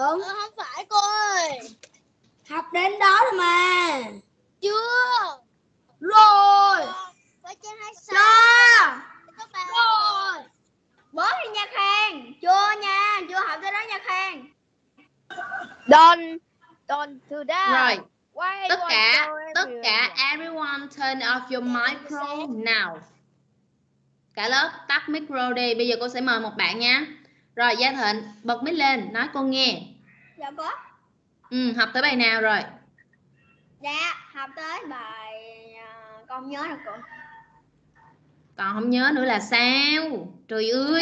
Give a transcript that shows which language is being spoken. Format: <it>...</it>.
<vi>Ừ, không phải cô ơi. Học đến đó rồi mà. Chưa. Rồi. Phải trên 26. Chưa. Rồi. Bớt đi nhạc hàng. Chưa nha. Chưa học tới đó nhạc hàng.</vi> <en>Don't do that.</en> <vi>Rồi.</vi> <en>Why</en> <vi>tất cả</vi> <en>everyone turn off your micro now.</en> <vi>Cả lớp tắt micro đi. Bây giờ cô sẽ mời một bạn nha. Rồi Gia Thịnh bật mic lên nói cô nghe. Dạ cô. Ừ, học tới bài nào rồi? Dạ học tới bài con nhớ rồi cô. Còn không nhớ nữa là sao? Trời ơi.</vi>